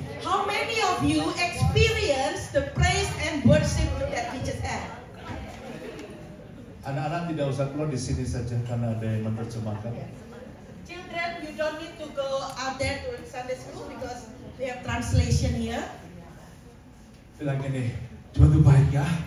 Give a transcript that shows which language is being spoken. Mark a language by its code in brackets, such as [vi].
[en] How many of you experience the praise and worship that we just had? [id] Anak-anak tidak usah keluar di sini saja karena ada yang menerjemahkan. [en] Children, you don't need to go out there to Sunday school because we have translation here. [id] Bilang gini, Tuhan itu baik ya.